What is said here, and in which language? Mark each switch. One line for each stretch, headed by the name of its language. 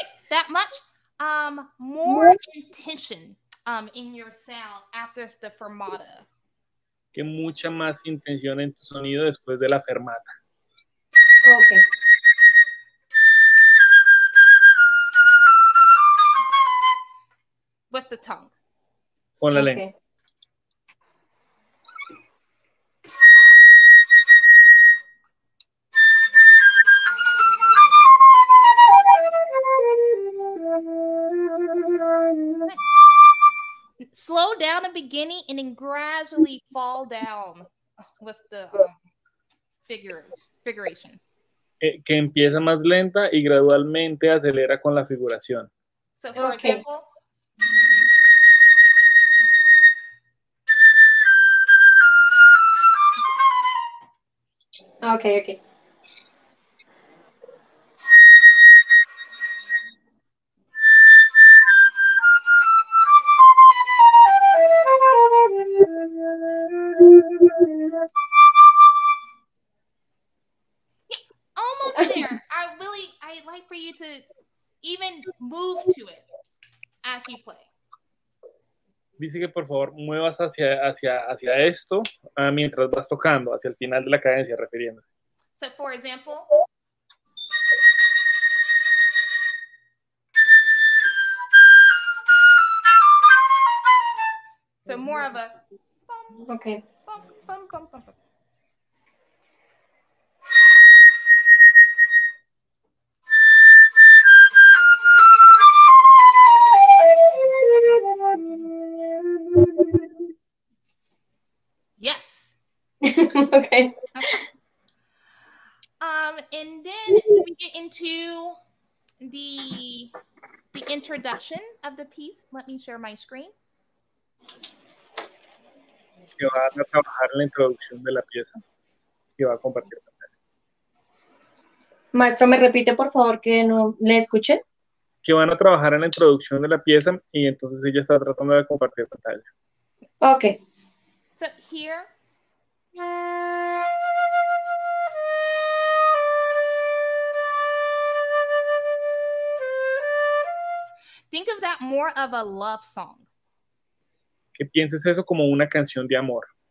English: That much more intention in your sound after the fermata.
Spanish: Que mucha más intención en tu sonido después de la fermata.
English: Okay. With the tongue.
Spanish: Con la lengua.
English: Slow down the beginning and then gradually fall down with the figuration.
Spanish: Que empieza más lenta y gradualmente acelera con la figuración.
English: So for okay. Example... Okay. Yeah, almost there. I'd like for you to even move to it as you play.
Spanish: Dice que por favor muevas hacia esto mientras vas tocando, hacia el final de la cadencia, refiriéndose.
English: So, for example. So, more of a. Okay. Yes. Okay. And then can we get into the introduction of the piece? Let me share my screen.
Spanish: Que va a trabajar la introducción de la pieza. Que va a compartir. Maestro, me repite por favor que no le escuche. Que van a trabajar en la introducción de la pieza y entonces ella está tratando de compartir pantalla.
English: Ok. So, here. Okay. Think of that more of a love song.
Spanish: Que pienses eso como una canción de amor.